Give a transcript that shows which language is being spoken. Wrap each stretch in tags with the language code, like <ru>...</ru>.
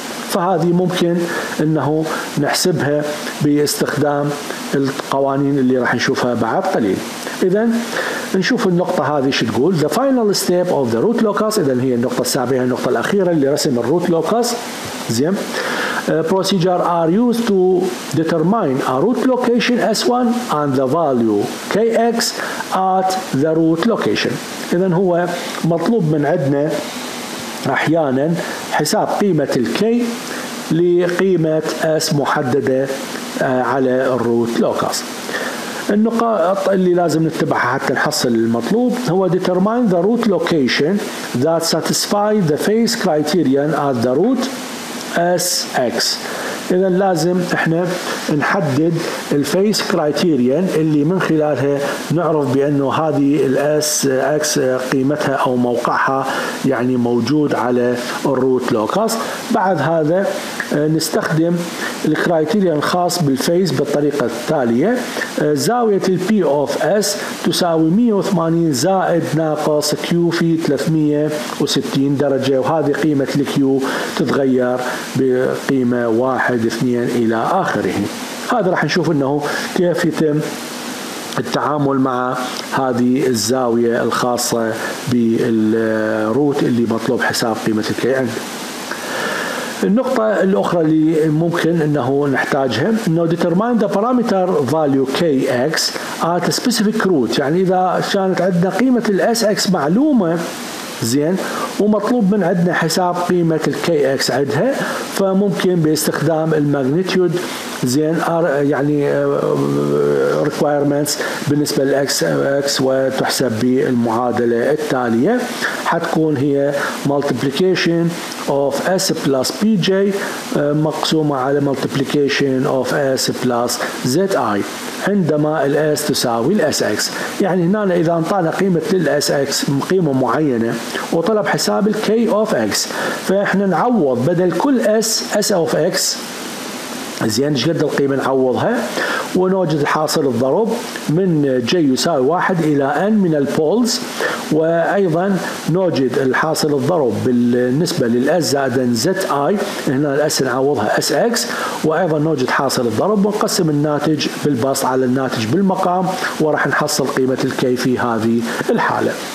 <ar>فهذه ممكن أنه نحسبها باستخدام القوانين اللي راح نشوفها بعد قليل. إذن نشوف النقطة هذه شو تقول.</ar> <en>The final step of the root locus.</en> <ar>إذن هي النقطة السابعة، النقطة الأخيرة اللي رسم الروت لوكس. زين.</ar> <en>Procedure are used to determine a root location S1 and the value Kx at the root location.</en> <ar>إذن هو مطلوب من عندنا أحيانا حساب قيمة الكي لقيمة S محددة على الروت لوكس. النقاط اللي لازم نتبعها حتى نحصل المطلوب هو determine the root location that satisfy the phase criterion at the root SX. إذا لازم احنا نحدد الفيس كرايتيريان اللي من خلالها نعرف بأنه هذه الاس اكس قيمتها او موقعها يعني موجود على الروت لوكاس. بعد هذا نستخدم الكرايتيريان الخاص بالفيس بالطريقة التالية. زاوية البي اوف اس تساوي 180 زائد ناقص كيو في 360 درجة، وهذه قيمة الكيو تتغير بقيمة 1-2 إلى آخره. هذا راح نشوف أنه كيف يتم التعامل مع هذه الزاوية الخاصة بالروت اللي مطلوب حساب قيمة الكي ان. النقطة الأخرى اللي ممكن أنه نحتاجها أنه determine the parameter value kx at a specific root. يعني إذا كانت عندنا قيمة الـ sx معلومة زين ومطلوب من عندنا حساب قيمة الـ kx عندها، فممكن باستخدام الماغنيتيود زين يعني requirements بالنسبة للـ x وتحسب بالمعادلة التالية. حتكون هي multiplication of s plus pj مقسومة على multiplication of s plus zi عندما الـ s تساوي الـ sx. يعني هنا إذا انطانا قيمة للـ sx قيمة معينة وطلب حساب الـ k of x، فإحنا نعوض بدل كل s s of x زين جد القيمة نعوضها ونوجد الحاصل الضرب من j يساوي 1 إلى n من البولز، وأيضا نوجد الحاصل الضرب بالنسبة للأس زائد زي هنا الأس نعوضها SX، وأيضا نوجد حاصل الضرب ونقسم الناتج بالبسط على الناتج بالمقام ورح نحصل قيمة الكي في هذه الحالة.</ar>